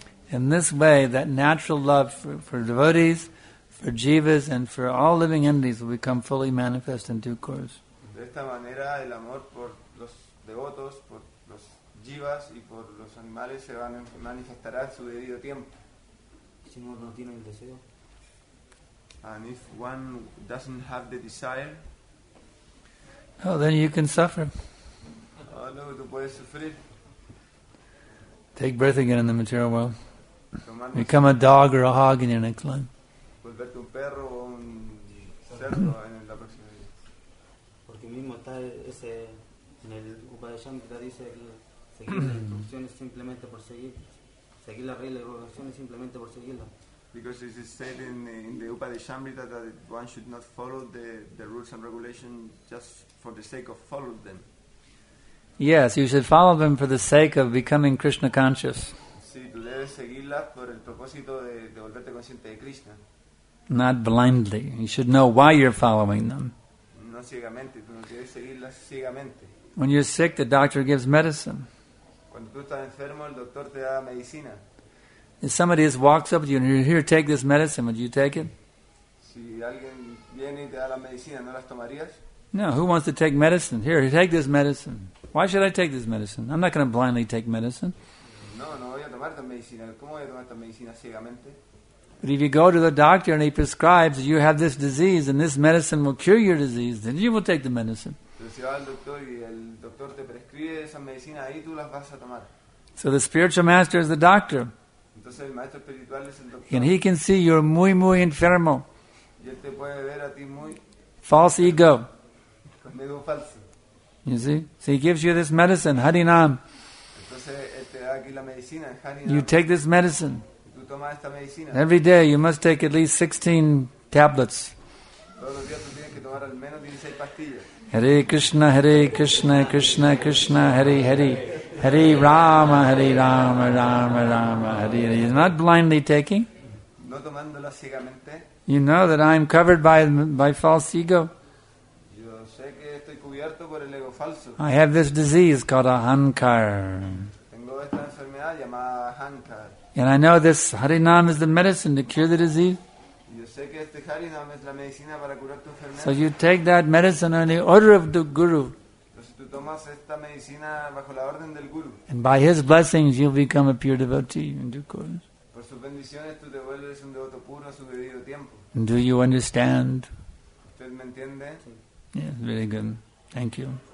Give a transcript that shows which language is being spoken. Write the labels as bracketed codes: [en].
[en] In this way, that natural love for devotees, for jivas, and for all living entities will become fully manifest in due course. [es] De esta manera, el amor por los devotos, por los jivas y por los animales se van a manifestar a su debido tiempo. Si uno no tiene el deseo. [en] And if one doesn't have the desire, oh, then you can suffer. [es] Oh, no, tú puedes sufrir. [en] Take breath again in the material world. Become a dog or a hog in your next life. [es] Volverte un perro o un cerdo en la próxima vida. Porque mismo está ese en el Upadeshanta dice que seguir las instrucciones simplemente por seguir, seguir las reglas y regulaciones simplemente por seguirlas. [en] Because it is said in the Upadeshamrita that one should not follow the rules and regulations just for the sake of following them. Yes, you should follow them for the sake of becoming Krishna conscious. [es] Sí, tú debes seguirlas por el propósito de volverte consciente de Krishna. [en] Not blindly. You should know why you're following them. [es] No ciegamente, tú no debes seguirlas ciegamente. [en] When you're sick, the doctor gives medicine. [es] Cuando tú estás enfermo, el doctor te da medicina. [en] If somebody just walks up to you and you're here, take this medicine, would you take it? [es] Si alguien viene y te da la medicina, ¿no las tomarías? [en] No, who wants to take medicine? Here, take this medicine. Why should I take this medicine? I'm not going to blindly take medicine. [es] No, no voy a tomar esta medicina. ¿Cómo voy a tomar esta medicina ciegamente? [en] But if you go to the doctor and he prescribes you have this disease and this medicine will cure your disease, then you will take the medicine. [es] Pero si vas al doctor y el doctor te prescribe esa medicina, ahí tú las vas a tomar. [en] So the spiritual master is the doctor. [es] Entonces, el maestro espiritual es el doctor. [en] And he can see you're [es] muy, muy enfermo. Y él te puede ver a ti muy [en] false [es] enfermo. [en] Ego. [es] Con ego falso. [en] You see? So he gives you this medicine, Harinam. [es] Entonces, él te da aquí la medicina, Harinam. [en] You take this medicine. [es] Y tú tomas esta medicina. [en] Every day you must take at least 16 tablets. [es] Todos los días tú tienes que tomar al menos 16 pastillas. [sa] Hare Krishna, Hare Krishna, Krishna Krishna, Hare Hare. Hare Rama, Hare Rama, Rama Rama, Hare Hare. [en] You're not blindly taking. [es] No tomándola ciegamente. [en] You know that I'm covered by false ego. [es] Yo sé que estoy cubierto por el ego falso. [en] I have this disease called ahankar. [es] Tengo esta enfermedad llamada ahankar. [en] And I know this Harinam is the medicine to cure the disease. [es] Yo sé que este Harinam es la medicina para curar tu enfermedad. [en] So you take that medicine on the order of the Guru. [es] Tomas esta medicina bajo la orden del Guru. [en] And by his blessings you'll become a pure devotee in due course. [es] Por sus bendiciones tú te vuelves un devoto puro a su debido tiempo. [en] And do you understand? [es] ¿Usted me entiende? [en] Yes, very good. Thank you.